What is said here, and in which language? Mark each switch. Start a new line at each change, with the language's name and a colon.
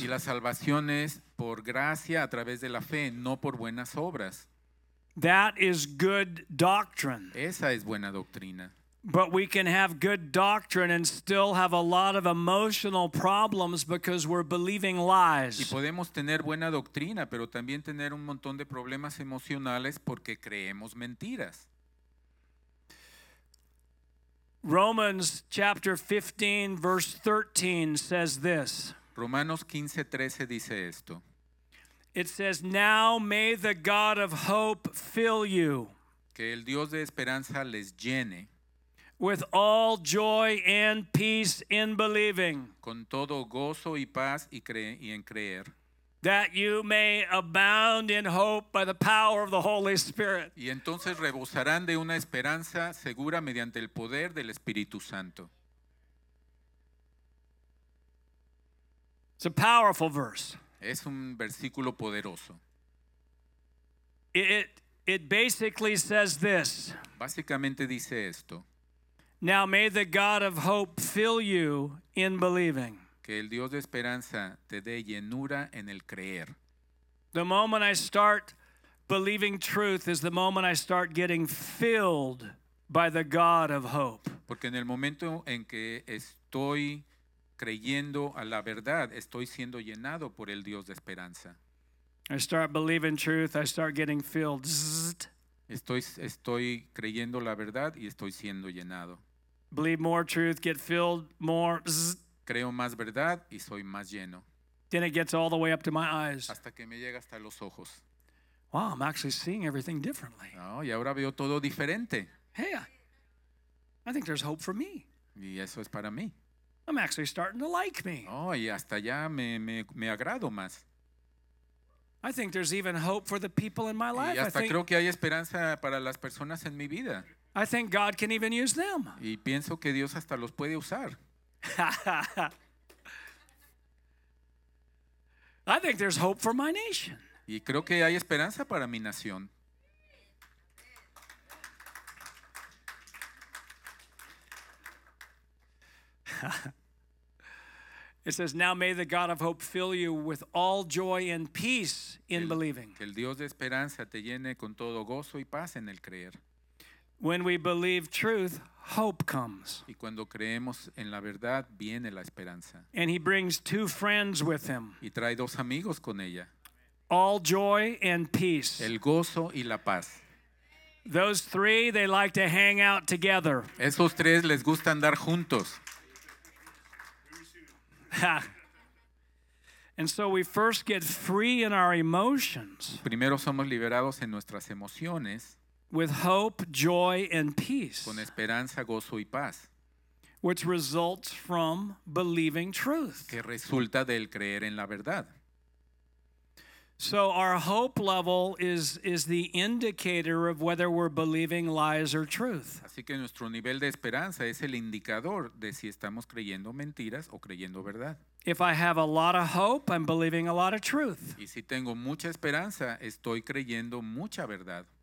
Spanish: Y la salvación es por gracia a través de la fe, no por buenas obras.
English: That is good doctrine.
Spanish: Esa es buena doctrina.
English: But we can have good doctrine and still have a lot of emotional problems because we're believing lies.
Spanish: Y podemos tener buena doctrina, pero también tener un montón de problemas emocionales porque creemos mentiras.
English: Romans chapter 15 verse 13 says this.
Spanish: Romanos 15:13 dice esto.
English: It says, "Now may the God of hope fill you."
Spanish: Que el Dios de esperanza les llene.
English: With all joy and peace in believing.
Spanish: Con todo gozo y paz y en creer.
English: That you may abound in hope by the power of the Holy Spirit.
Spanish: Y entonces rebosarán de una esperanza segura mediante el poder del Espíritu Santo.
English: It's a powerful verse.
Spanish: Es un versículo poderoso.
English: It basically says this.
Spanish: Básicamente dice esto.
English: Now may the God of hope fill you in believing.
Spanish: Que el Dios de esperanza te dé llenura en el creer.
English: The moment I start believing truth is the moment I start getting filled by the God of hope.
Spanish: Porque en el momento en que estoy creyendo a la verdad, estoy siendo llenado por el Dios de esperanza.
English: I start believing truth, I start getting filled.
Spanish: Estoy creyendo la verdad y estoy siendo llenado.
English: Believe more truth, get filled more.
Spanish: Creo más verdad y soy más lleno.
English: Then it gets all the way up to my eyes.
Spanish: Hasta que me llega hasta los ojos.
English: Wow, I'm actually seeing everything differently.
Spanish: Oh, y ahora veo todo diferente.
English: Hey, I think there's hope for me.
Spanish: Y eso es para mí.
English: I'm actually starting to like me.
Spanish: Oh, y hasta ya me agrado más.
English: I think there's even hope for the people in my life.
Spanish: Y hasta creo que hay esperanza para las personas en mi vida.
English: I think God can even use them.
Spanish: Y pienso que Dios hasta los puede usar.
English: I think there's hope for my nation.
Spanish: Y creo que hay esperanza para mi nación.
English: It says, "Now may the God of hope fill you with all joy and peace in believing."
Spanish: Que el Dios de esperanza te llene con todo gozo y paz en el creer.
English: When we believe truth, hope comes.
Spanish: Y cuando creemos en la verdad, viene la esperanza.
English: And he brings two friends with him.
Spanish: Y trae dos amigos con ella.
English: All joy and peace.
Spanish: El gozo y la paz.
English: Those three, they like to hang out together.
Spanish: Esos tres les gusta andar juntos.
English: And so we first get free in our emotions.
Spanish: Primero somos liberados en nuestras emociones.
English: With hope, joy, and peace.
Spanish: Con esperanza, gozo y paz.
English: Which results from believing truth.
Spanish: Que resulta del creer en la verdad.
English: So our hope level is the indicator of whether we're believing lies or truth.
Spanish: Así que nuestro nivel de esperanza es el indicador de si estamos creyendo mentiras o creyendo verdad.
English: If I have a lot of hope, I'm believing a lot of truth.
Spanish: Y si tengo mucha esperanza, estoy creyendo mucha verdad.